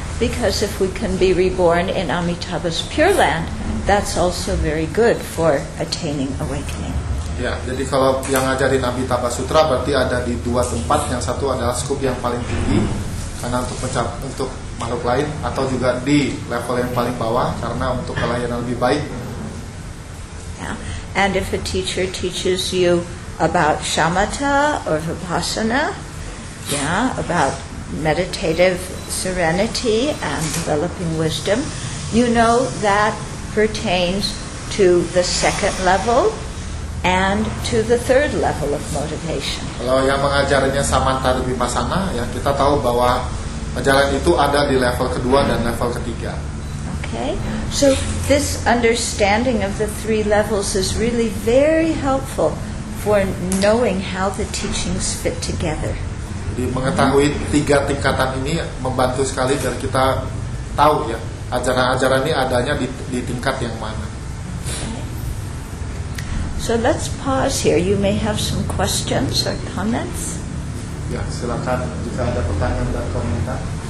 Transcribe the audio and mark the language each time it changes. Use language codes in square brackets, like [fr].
[en] Because if we can be reborn in Amitabha's pure land, that's also very good for attaining awakening. [id] Ya, jadi kalau yang ngajarin Amitabha Sutra berarti ada di dua tempat. Yang satu adalah skup yang paling tinggi, karena untuk makhluk lain, atau juga di level yang paling bawah, karena untuk pelayanan lebih baik. [en] Yeah. And if a teacher teaches you about shamatha or vipassana, yeah, about meditative serenity and developing wisdom, you know that pertains to the second level and to the third level of motivation. [id] Kalau yang mengajarinya samatha dan vipassana, ya kita tahu bahwa ajaran itu ada di level kedua dan level ketiga. [en] Okay, so this understanding of the three levels is really very helpful for knowing how the teachings fit together. [id] Jadi mengetahui tiga tingkatan ini membantu sekali biar kita tahu ya ajaran-ajaran ini adanya di tingkat yang mana. [en] So let's pause here. You may have some questions or comments. [id] Ya, silakan jika ada pertanyaan dan komentar.